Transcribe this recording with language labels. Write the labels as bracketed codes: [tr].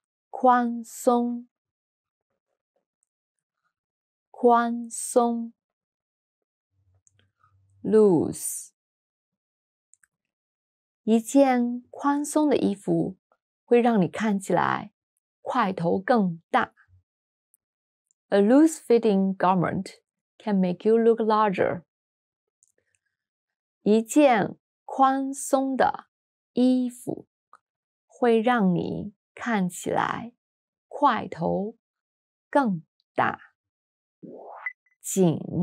[zh] 宽松宽松 [en] loose [zh] 一件宽松的衣服会让你看起来块头更大 [en] A loose fitting garment can make you look larger [zh] 一件宽松的衣服会让你看起来块头更大紧